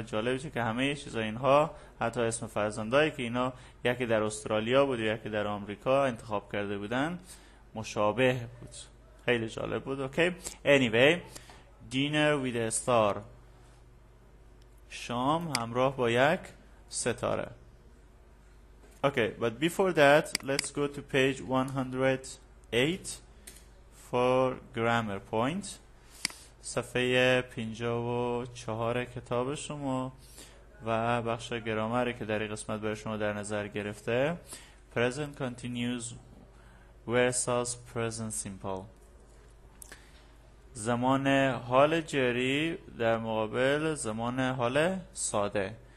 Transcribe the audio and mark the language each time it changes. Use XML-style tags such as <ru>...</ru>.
<fa>و جالبه که همه چیزا اینها، حتی اسم فرزندایی که اینا یکی در استرالیا بود و یکی در آمریکا انتخاب کرده بودن، مشابه بود. خیلی جالب بود. اوکی،</fa> <en>anyway، dinner with a star،</en> <fa>شام همراه با یک ستاره.</fa> <en>Okay, but before that, let's go to page 108 for grammar point.</en> <fa>صفحه 54 کتاب شما و بخش گرامری که در این قسمت برای شما در نظر گرفته.</fa> <en>Present continuous versus present simple.</en> <fa>زمان حال جری در مقابل زمان حال ساده.</fa>